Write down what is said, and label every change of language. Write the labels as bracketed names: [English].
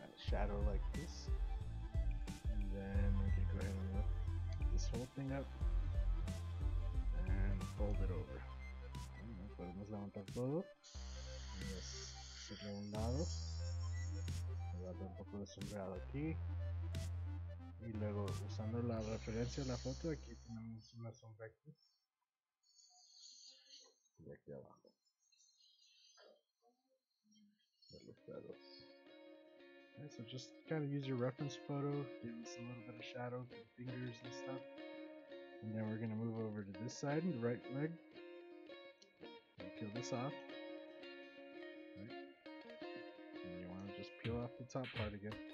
[English] Shadow like this, and then we can go ahead and lift this whole thing up and fold it over. [Spanish] Podemos levantar todo, y hacerle un lado, darle un poco de sombreado aquí, y luego usando la referencia de la foto, aquí tenemos una sombra aquí y aquí abajo de los dedos. [English] Okay, so just kind of use your reference photo, give us a little bit of shadow for the fingers and stuff. And then we're going to move over to this side, the right leg. And peel this off. Okay. And you want to just peel off the top part again.